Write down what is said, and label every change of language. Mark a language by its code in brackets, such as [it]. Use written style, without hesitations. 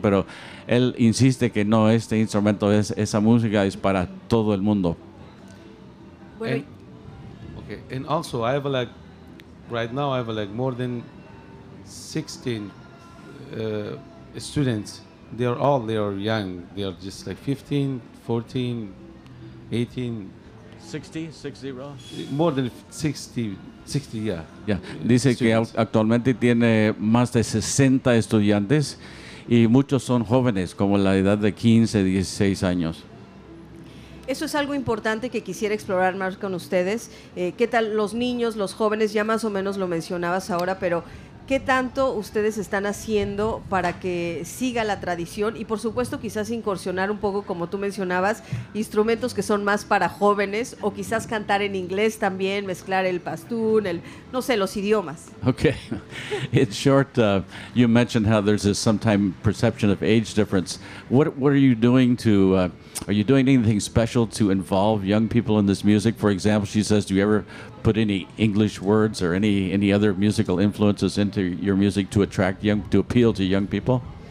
[es] Pero él insiste que no, este instrumento, esa música es para todo el mundo. [en] And also, I have like, right now I have like more than 16 students. They are young. They are just like 15, 14, 18. 60? More than 60, yeah. Yeah. [es] Dice [en] students. [es] Que actualmente tiene más de 60 estudiantes y muchos son jóvenes, como la edad de 15, 16 años. Eso es algo importante que quisiera explorar más con ustedes. ¿Qué tal los niños, los jóvenes? Ya más o menos lo mencionabas ahora, pero ¿qué tanto ustedes están haciendo para que siga la tradición? Y por supuesto, quizás incursionar un poco, como tú mencionabas, instrumentos que son más para jóvenes, o quizás cantar en inglés también, mezclar el pastún, los idiomas. [en] Okay. In short, you mentioned how there's a sometime perception of age difference. What are you doing to... are you doing anything special to involve young people in this music? For example, she says, do you ever put any English words or any other musical influences into your music to appeal to young people?